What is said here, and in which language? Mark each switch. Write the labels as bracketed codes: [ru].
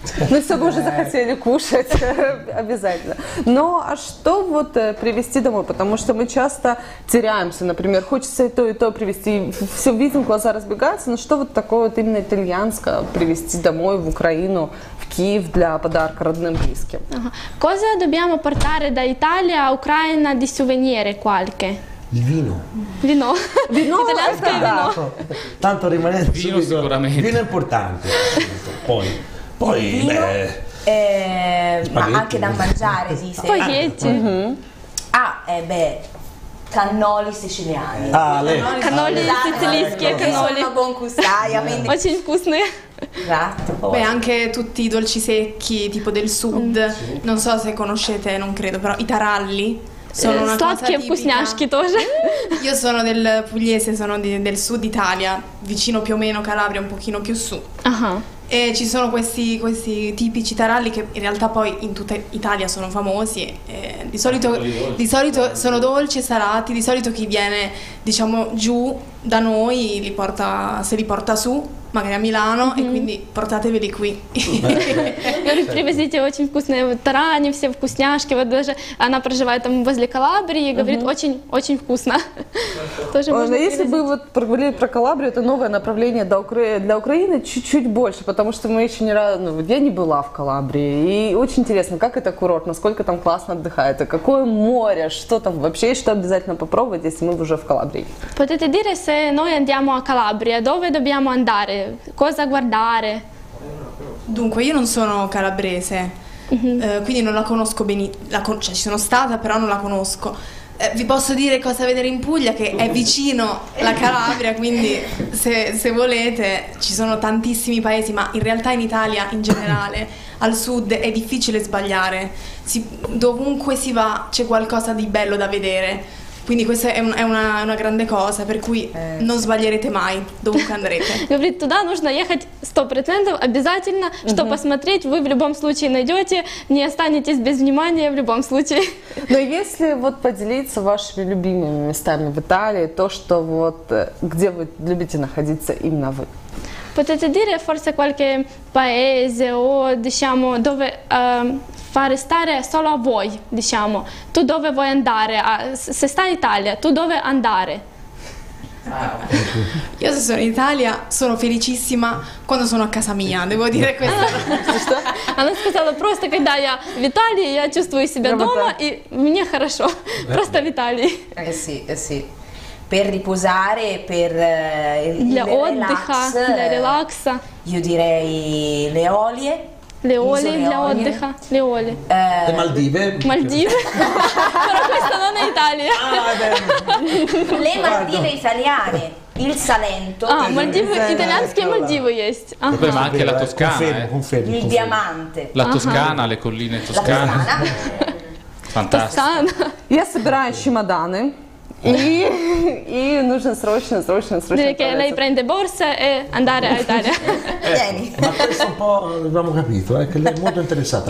[ru] Мы с тобой уже захотели кушать, обязательно. Ну, а что вот привезти домой? Потому что мы часто теряемся, например, хочется и то привезти, все видим, глаза разбегаются, но что вот такое вот именно итальянское привезти домой в Украину, в Киев для подарка родным, близким? [it] Cosa dobbiamo portare da Italia, Ucraina, di souvenir qualche? Il vino. Vino. Vino. Italiano vino. Tanto rimane il vino sicuramente. Vino è importante. Poi, poi vino, beh, ma anche da mangiare, esiste. Spaghetti. Ah, beh, cannoli siciliani. Ah, le. Cannoli sicilischi e cannoli. Sono buon gustaio, quindi. Ma c'è il gusto. Esatto. Beh, anche tutti i dolci secchi tipo del sud, sì. Non so se conoscete, non credo, però i taralli sono una Slotky cosa tipica. [ru] Вкусняшки тоже. [it] Io sono del Pugliese, sono del sud Italia, vicino più o meno Calabria, un pochino più su. Uh-huh. E ci sono questi tipici taralli che in realtà poi in tutta Italia sono famosi. E di solito sono dolci e salati, di solito chi viene, diciamo, giù da noi se li porta su. Magari a Milano, mm-hmm. E quindi portateveli qui. [ru] Говорю, certo. Привезите очень вкусные вот тарани, все вкусняшки. Вот даже она проживает там возле Калабрии, говорит, очень-очень вкусно. Тоже можно привезти. Если бы вот поговорили про Калабрию, это новое направление для Украины чуть-чуть больше, потому что мы еще ни разу, ну, я не была в Калабрии. И очень интересно, как это курорт, насколько там классно отдыхает, а какое море, что там вообще, что обязательно попробовать, если мы уже в Калабрии. [it] Potete dire se noi andiamo a Calabria, dove dobbiamo andare, cosa guardare? Dunque, io non sono calabrese, quindi non la conosco bene, cioè ci sono stata, però non la conosco. Vi posso dire cosa vedere in Puglia, che è vicino la Calabria, quindi se volete ci sono tantissimi paesi, ma in realtà in Italia in generale, al sud, è difficile sbagliare. Dovunque si va c'è qualcosa di bello da vedere. Quindi questa è una grande cosa, per cui non sbaglierete mai, dovunque andrete. [ru] Говорит, туда нужно ехать 100% обязательно, что посмотреть, вы в любом случае найдете, не останетесь без внимания в любом случае. Но если вот поделиться вашими любимыми местами в Италии, то что вот, где вы любите находиться именно вы? Potete dire forse qualche paese o diciamo dove... fare stare solo a voi, diciamo, tu dove vuoi andare, se stai in Italia, tu dove andare? Io se sono in Italia sono felicissima quando sono a casa mia, devo dire questo. Она сказала, просто когда я в Италии, я чувствую себя дома и мне хорошо, просто в Италии. [it] Sì. Per riposare, per il relax, [ru] для релакса. [it] Io direi le Eolie. Le Eolie, [ru] для отдыха. [it] Le Eolie. Le Maldive. Maldive. Però questa non è Italia. Le Maldive italiane. Il Salento. Ah, Maldive, italianske Maldive есть. Vabbè, ma anche la Toscana. Confermo. Il Diamante. La Toscana, le colline toscane. La Toscana. [ru] Фантастика. Я собираю чемоданы. И нужно срочно, срочно, срочно. [it] Che lei prende borsa e andare a Italia. Vieni. Ma questo un po' abbiamo capito, che lei è molto interessata.